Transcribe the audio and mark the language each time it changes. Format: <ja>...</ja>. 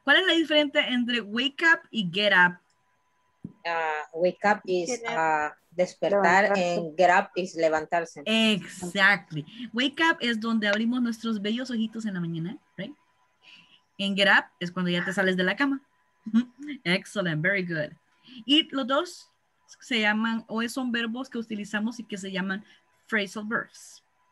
<es>¿Cuál es la diferencia entre wake up y get up?</es> <en>Wake up is despertar and get up is levantarse. Exactly.</en> <es>Wake up es donde abrimos nuestros bellos ojitos en la mañana, right? And get up es cuando ya te sales de la cama.</es> <en>Excellent, very good.</en> <es>Y los dos se llaman, o son verbos que utilizamos y que se llaman phrasal verbs. ¿Sí?</es>